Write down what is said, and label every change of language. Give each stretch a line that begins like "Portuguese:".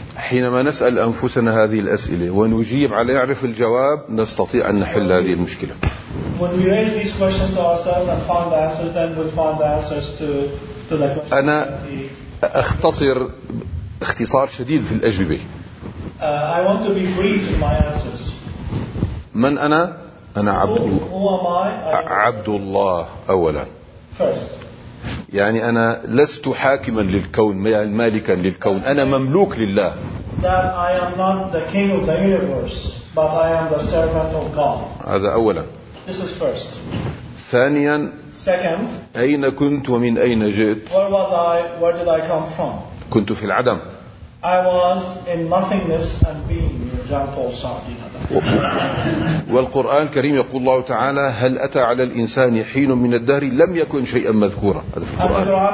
Arabic: حينما نسأل أنفسنا هذه الأسئلة ونجيب على يعرف الجواب نستطيع أن نحل هذه المشكلة.
English: When we raise these questions to ourselves and find the answers, then we'll find the answers to the question.
Arabic: أنا أختصر اختصار شديد في الأجوبة.
English: I want to be brief in my answers.
Arabic: من أنا؟ أنا عبد الله.
English: Who am I?
Arabic: عبد الله أولا.
English: First.
Arabic: يعني أنا لست حاكما للكون مالكا للكون أنا مملوك لله.
English: That I am not the king of the universe, but I am the servant of God.
Arabic: هذا أولا.
English: This is first.
Arabic: ثانيا.
English: Second.
Arabic: أين كنت ومن أين جئت؟
English: Where was I? Where did I come from?
Arabic: كنت في العدم.
English: I was in nothingness and being. Jean Paul Sartre.
Arabic: والقرآن الكريم يقول الله تعالى هل أتى على الإنسان حين من الدهر لم يكن شيئا مذكورا هذا في القرآن